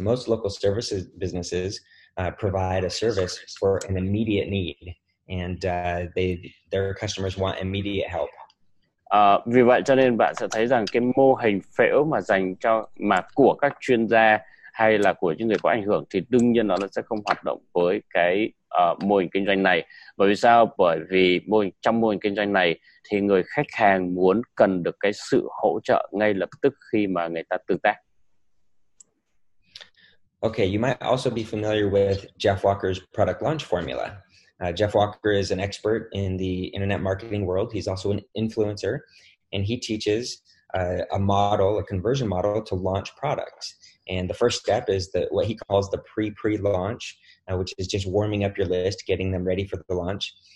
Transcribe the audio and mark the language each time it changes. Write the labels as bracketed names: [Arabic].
[English] Most local services businesses provide a service for an immediate need, and their customers want immediate help. [Vietnamese] Vì vậy cho nên bạn sẽ thấy rằng cái mô hình phễu mà dành cho mà của các chuyên gia hay là của những người có ảnh hưởng thì đương nhiên nó sẽ không hoạt động với cái mô hình kinh doanh này. Bởi vì sao? Bởi vì trong mô hình kinh doanh này thì người khách hàng muốn cần được cái sự hỗ trợ ngay lập tức khi mà người ta tương tác. [English] Okay, you might also be familiar with Jeff Walker's product launch formula. Jeff Walker is an expert in the internet marketing world. He's also an influencer, and he teaches a conversion model to launch products. And the first step is what he calls the pre-launch, which is just warming up your list, getting them ready for the launch.